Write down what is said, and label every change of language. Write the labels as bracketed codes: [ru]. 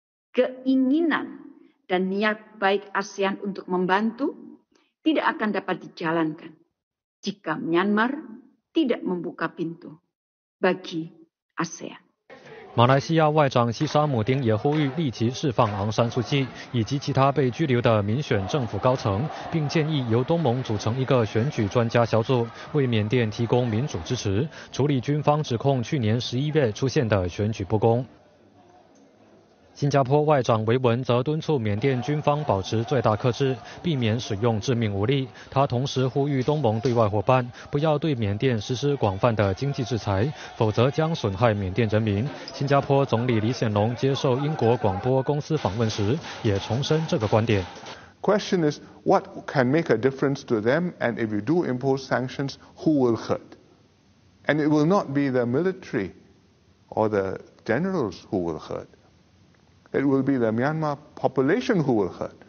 [ms] Keinginan dan niat baik ASEAN untuk membantu tidak akan dapat dijalankan jika Myanmar tidak membuka pintu bagi ASEAN. [zh] 马来西亚外长西沙姆丁也呼吁立即释放昂山素姬以及其他被拘留的民选政府高层，并建议由东盟组成一个选举专家小组，为缅甸提供民主支持，处理军方指控去年11月出现的选举不公。新加坡外长维文则敦促缅甸军方保持最大克制，避免使用致命武力。他同时呼吁东盟对外伙伴不要对缅甸实施广泛的经济制裁，否则将损害缅甸人民。新加坡总理李显龙接受英国广播公司访问时也重申这个观点。 [en] Question is, what can make a difference to them? And if you do impose sanctions, who will hurt? And it will not be the military or the generals who will hurt. It will be the Myanmar population who will hurt.